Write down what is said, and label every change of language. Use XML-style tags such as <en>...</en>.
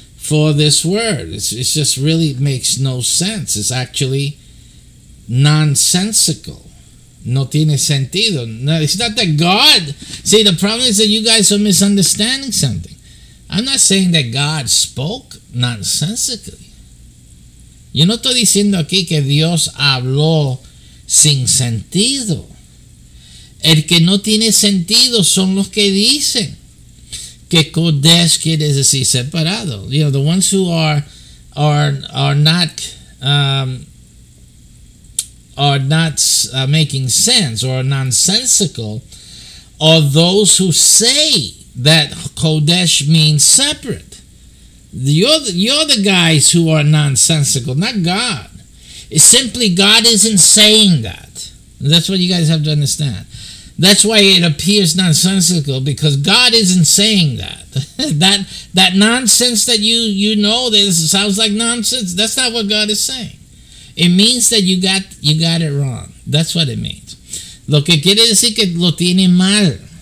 <en>For this word, it's just really makes no sense. It's actually nonsensical.</en> <es>No tiene sentido.</es> <en>No, it's not that God. See, the problem is that you guys are misunderstanding something. I'm not saying that God spoke nonsensically.</en> <es>Yo no estoy diciendo aquí que Dios habló sin sentido. El que no tiene sentido son los que dicen. Que Kodesh quiere decir separado.</es> <en>You know, the ones who are not making sense or nonsensical are those who say that Kodesh means separate. You're the guys who are nonsensical, not God. It's simply God isn't saying that. That's what you guys have to understand. That's why it appears nonsensical, because God isn't saying that. that nonsense that you know that sounds like nonsense, that's not what God is saying. It means that you got it wrong. That's what it means.</en> <es>Lo que quiere decir que lo tiene mal.</es>